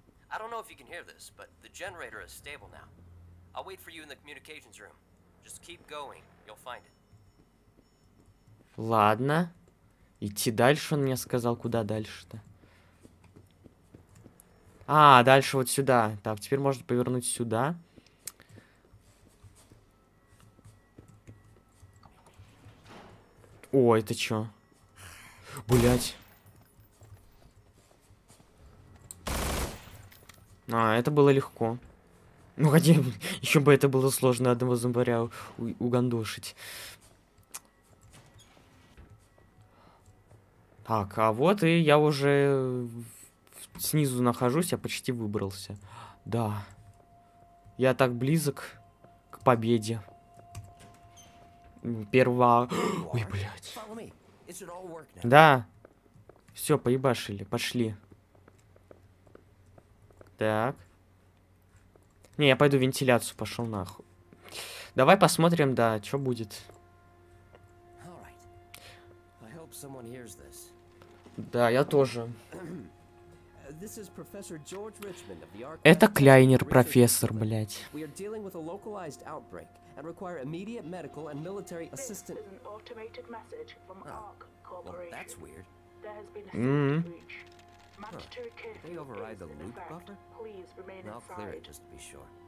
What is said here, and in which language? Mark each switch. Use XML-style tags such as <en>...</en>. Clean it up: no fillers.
<en>I don't know if you can hear this, but the generator is stable now. I'll wait for you in the communications room. Just keep going, you'll find it.</en> <ru>Ладно. Идти дальше, он мне сказал, куда дальше-то. А, дальше вот сюда. Так, теперь можно повернуть сюда. О, это чё? Блять. А, это было легко. Ну, хотя бы, еще бы это было сложно одного зомбаря угандошить. Так, а вот и я уже снизу нахожусь, я почти выбрался. Да. Я так близок к победе. Первого... Ой, блядь. Да. Все, поебашили, пошли. Так. Не, я пойду вентиляцию, пошел нахуй. Давай посмотрим, да, что будет.</ru> <en>Right. I hope someone hears this.</en> <ru>Да, я тоже.</ru> <en>This is Professor George Richmond of the Ark...</en> <ru>Это Кляйнер, профессор, блядь.</ru> <en>We are dealing with a localized outbreak and require immediate medical and military assistance. This is an automated message from Ark Corporation. Well, that's weird. There has been a system breach. Huh. They override the loop buffer? Please remain inside. I'll clear it just to be sure.</en>